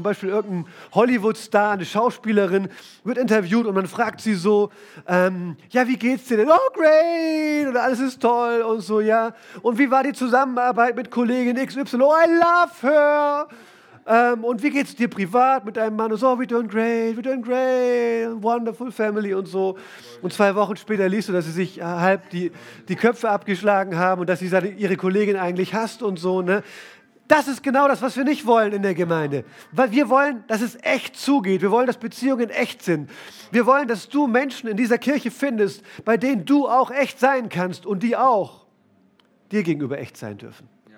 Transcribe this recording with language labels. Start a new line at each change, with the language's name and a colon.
German: Zum Beispiel irgendein Hollywood-Star, eine Schauspielerin wird interviewt und man fragt sie so, wie geht's dir denn?
English: Oh, great!
German: Und alles ist toll und so, ja. Und wie war die Zusammenarbeit mit Kollegin XY?
English: Oh, I love her!
German: Und wie geht's dir privat mit deinem Mann?
English: So, we're doing great, wonderful family
German: und so. Und zwei Wochen später liest du, dass sie sich halb die Köpfe abgeschlagen haben und dass sie ihre Kollegin eigentlich hasst und so. Ne? Das ist genau das, was wir nicht wollen in der Gemeinde. Weil wir wollen, dass es echt zugeht. Wir wollen, dass Beziehungen echt sind. Wir wollen, dass du Menschen in dieser Kirche findest, bei denen du auch echt sein kannst und die auch dir gegenüber echt sein dürfen.